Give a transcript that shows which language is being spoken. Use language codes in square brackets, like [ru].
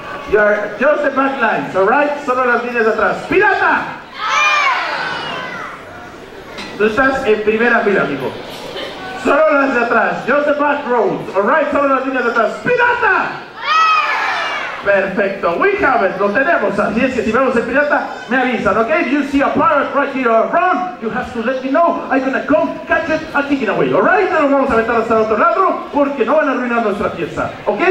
[en] You are just the back lines, alright? [es] Solo las líneas de atrás. ¡Pirata! Tú estás en primera fila, amigo. Solo las de atrás. [en] Just the back rows, alright? [es] Solo las líneas de atrás. ¡Pirata! Perfecto, [en] we have it, [es] lo tenemos. Así es que si vemos el pirata, me avisan, ok? [en] If you see a pirate right here around, you have to let me know. I'm gonna come, catch it, and take it away, alright? [es] No nos vamos a aventar hasta el otro lado porque no van a arruinar nuestra fiesta, ok?